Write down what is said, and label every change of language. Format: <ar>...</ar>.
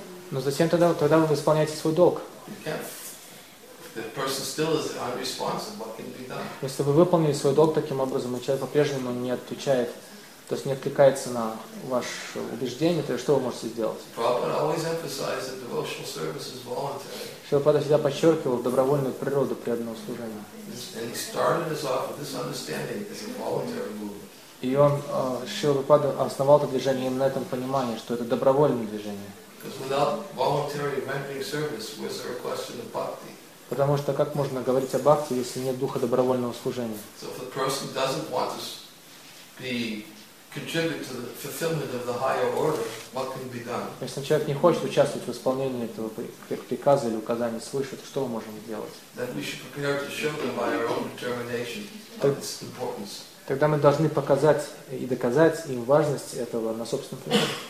<ru>Но затем тогда вы исполняете свой долг.</ru> <en>The person still is unresponsive. What can be done?</en> <ru>Если вы выполнили свой долг таким образом, и человек по-прежнему не отвечает, то есть не откликается на ваше убеждение, то что вы можете сделать?</ru> <en>Prabhupada always emphasized that devotional service is voluntary.</en> <ru>Шрилапада всегда подчеркивал добровольную природу преданного служения.</ru> <en>And he started us off with this understanding that it's a voluntary movement.</en> <ru>И он Шрилапада основал это движение именно на этом понимании, что это добровольное движение.</ru> <en>Because without voluntary rendering service, was there a question of bhakti?</en> <ru>Потому что как можно говорить о бхакти, если нет духа добровольного служения?</ru> <en>So if the person doesn't want to be contribute to the fulfillment of the higher order, what can be done?</en> <ru>Если человек не хочет участвовать в исполнении этого приказа или указания свыше, то что мы можем сделать?</ru> <en>Then we should prepare to show them by our own determination of its importance.</en> <ru>Тогда мы должны показать и доказать им важность этого на собственном примере.</ru>